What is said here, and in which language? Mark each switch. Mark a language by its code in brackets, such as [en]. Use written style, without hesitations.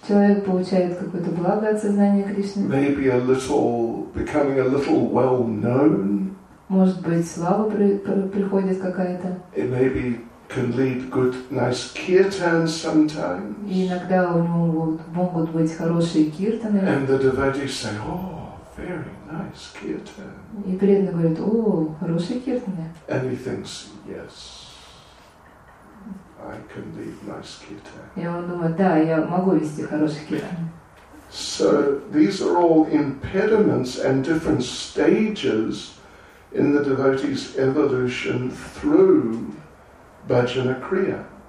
[ru] Человек получает какое-то благо от сознания Кришны. [en] Maybe a little, becoming a little well known. [ru] Может быть, слава приходит какая-то. [en] It maybe can lead good, nice kirtan sometimes. [ru] И иногда у него могут быть хорошие киртаны. [en] And the devotees say, oh, very nice kirtan. [ru] И преданные говорят, о, хорошие киртаны. [en] And he thinks, yes. I can lead nice kirtan. [ru] Я думаю, да, я могу вести хороший кирта. [en] So these are all impediments and different stages in the devotee's evolution through bhajana kriya.